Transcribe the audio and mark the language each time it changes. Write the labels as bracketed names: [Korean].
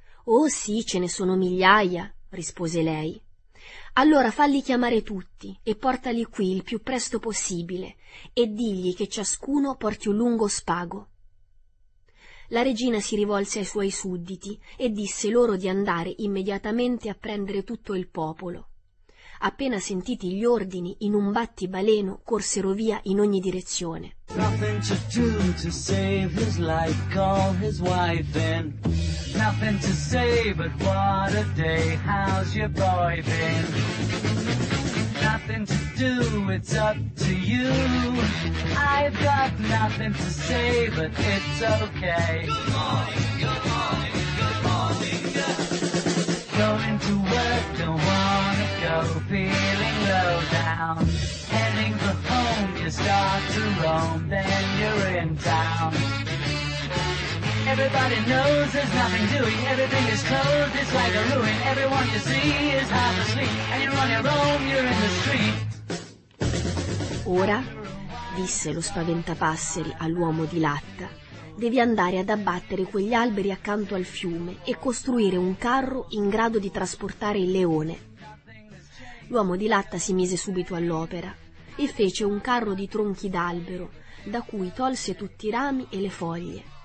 [Italian] «Oh sì, ce ne sono migliaia», rispose lei. «Allora falli chiamare tutti e portali qui il più presto possibile e digli che ciascuno porti un lungo spago». La regina si rivolse ai suoi sudditi e disse loro di andare immediatamente a prendere tutto il popolo. Appena sentiti gli ordini, in un battibaleno corsero via in ogni direzione. [English] Nothing to do to save his life, call his wife in. Nothing to say but what a day, how's your boy been? Nothing to do, it's up to you. I've got nothing to say but it's okay. Good morning, good morning, good morning, yeah. Going to work, don't wanna go, feeling low down. Heading for home, you start to roam, then you're in town. Everybody knows there's nothing doing, everything is closed, it's like a ruin. Everyone you see is half asleep, and you're on your own, you're in the street. [Italian] Ora, disse lo spaventapasseri all'uomo di latta, devi andare ad abbattere quegli alberi accanto al fiume e costruire un carro in grado di trasportare il leone. L'uomo di latta si mise subito all'opera e fece un carro di tronchi d'albero, da cui tolse tutti i rami e le foglie.